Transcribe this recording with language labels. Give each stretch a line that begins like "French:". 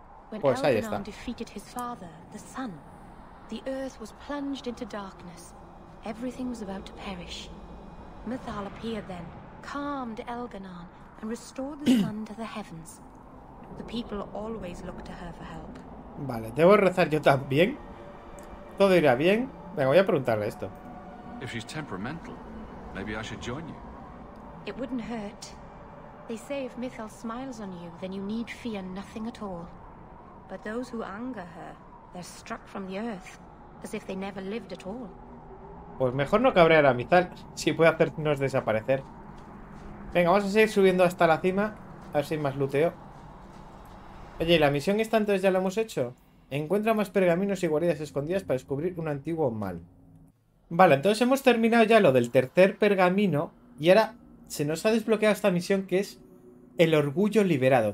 Spanish: When pues ahí está.
English: Defeated his father, the sun, the earth was plunged into darkness. Everything was about to perish. Mithal appeared then, calmed Elgenarn, and restored the sun to the heavens. The people always looked to her for help.
Spanish: Vale, debo rezar yo también. Todo irá bien. Venga, voy a preguntarle esto.
English: If she's temperamental, maybe I should join you. It wouldn't hurt. They say if Mithal smiles on you, then you need fear nothing at all. But those who anger her, they're struck from the earth, as if they never lived at all.
Spanish: Pues mejor no cabrear a Mithal, si puede hacernos desaparecer. Venga, vamos a seguir subiendo hasta la cima, a ver si hay más luteo. Oye, ¿y la misión esta entonces ya la hemos hecho? Encuentra más pergaminos y guaridas escondidas para descubrir un antiguo mal. Vale, entonces hemos terminado ya lo del tercer pergamino y ahora se nos ha desbloqueado esta misión que es el orgullo liberado.